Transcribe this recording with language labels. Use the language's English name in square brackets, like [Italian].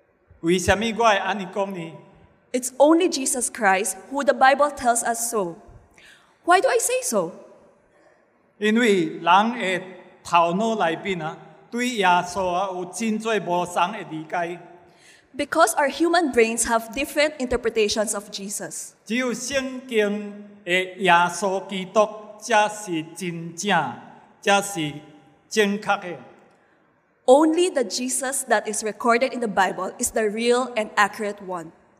[Min Nan Chinese] 独独圣经记载的耶稣基督，为什么我会安尼讲呢？ [English] It's only Jesus Christ who the Bible tells us so. Why do I say so? [Min Nan Chinese] 因为人的头脑里边啊，对耶稣啊有真多无同的理解。 [English] Because our human brains have different interpretations of Jesus. [Min Nan Chinese] 只有圣经的耶稣基督才是真正。 [English] Only the Jesus that is recorded in the Bible is the real and accurate one.